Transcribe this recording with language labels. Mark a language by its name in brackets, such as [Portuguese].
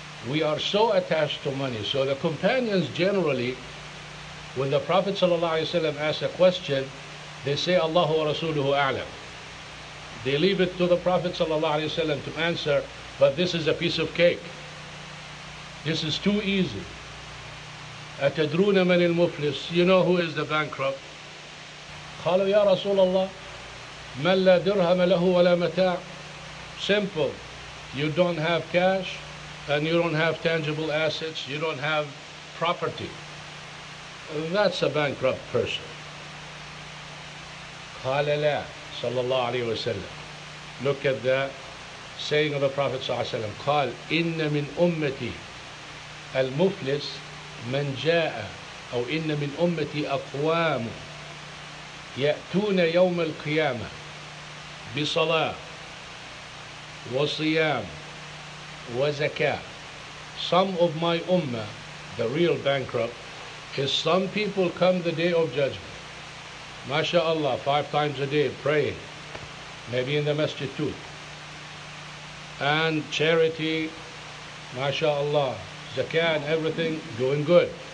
[English] We are so attached to money. So the companions generally, when the Prophet sallallahu alayhi wa sallam asks a question, they say, [Arabic] Allahu wa rasuluhu a'lam. [English] They leave it to the Prophet sallallahu alayhi wa sallam to answer, but this is a piece of cake. This is too easy. [Arabic] أَتَدْرُونَ مَنِ الْمُفْلِسِ. [English] You know who is the bankrupt. [Arabic] قَالُوا يَا رَسُولَ اللَّهِ مَنْ لَا دِرْهَمَ لَهُ وَلَا مَتَاعٍ. [English] Simple. You don't have cash, and you don't have tangible assets, you don't have property, that's a bankrupt person. [Arabic] قال لا صلى الله عليه وسلم. [English] Look at the saying of the Prophet صلى الله عليه وسلم. [Arabic] قال إن من أمتي المفلس من جاء أو إن من أمتي أقوام يأتون يوم القيامة بصلاة وصيام وزكاة. [English] Some of my ummah, the real bankrupt, is some people come the day of judgment. MashaAllah, 5 times a day praying, maybe in the masjid too. And charity, MashaAllah, zakah and everything, doing good.